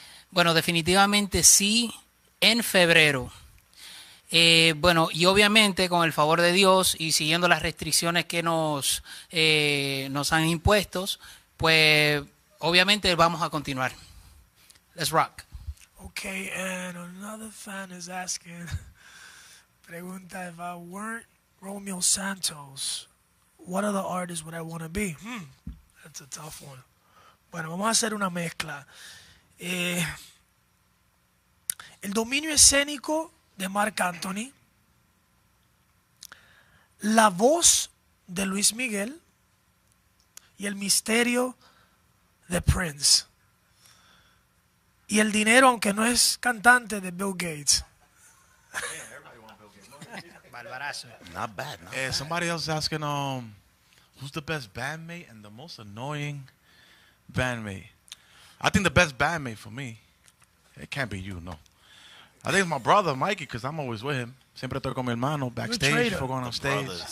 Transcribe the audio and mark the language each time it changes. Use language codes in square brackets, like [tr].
[es] Bueno, definitivamente sí, en febrero. Bueno, y obviamente con el favor de Dios y siguiendo las restricciones que nos han impuesto, pues obviamente vamos a continuar. [en] Let's rock. Okay, and another fan is asking, pregunta, if I weren't Romeo Santos, what other artist would I want to be? That's a tough one. [es] Bueno, vamos a hacer una mezcla. El dominio escénico de Marc Anthony, la voz de Luis Miguel y el misterio The Prince. Y el dinero, aunque no es cantante, de Bill Gates. Barbarazo. [en] Not bad, not bad. Somebody else is asking, who's the best bandmate and the most annoying bandmate? I think the best bandmate for me, it can't be you, no. I think it's my brother, Mikey, because I'm always with him. [es] Siempre estoy con mi hermano [en] backstage before going on stage.